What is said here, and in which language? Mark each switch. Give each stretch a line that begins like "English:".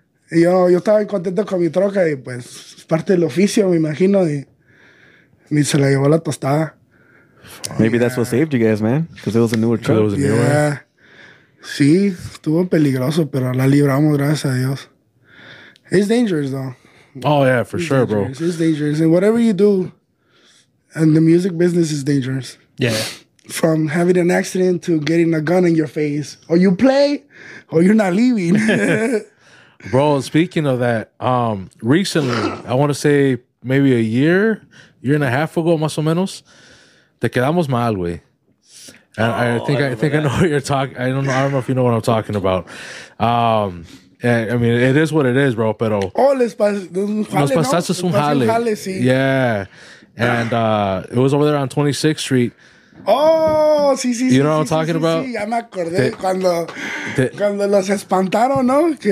Spanish: Y yo estaba muy contento con mi troca y pues... parte del oficio, me imagino, y se la llevó la tostada.
English: Maybe that's what saved you guys, man. Because it was a newer truck. It was a newer.
Spanish: Sí, estuvo peligroso, pero la libramos, gracias a Dios.
English: It's dangerous, though. Oh, yeah, for sure, bro. It's dangerous. And whatever you do, and the music business is dangerous. Yeah. From having an accident to getting a gun in your face. Or you play, or you're not leaving. Bro, speaking of that, recently, I want to say maybe a year and a half ago,
Spanish: más o menos, te quedamos mal, güey.
English: And I think I know what you're talking. I don't know if you know what I'm talking about. I mean, it is what it is, bro, pero...
Spanish: Oh, nos pasaste un jale, sí.
English: Yeah. And it was over there on 26th Street.
Spanish: Oh, sí, sí,
English: you
Spanish: sí.
English: You know what I'm talking about?
Spanish: Sí, ya me acordé cuando los espantaron, ¿no?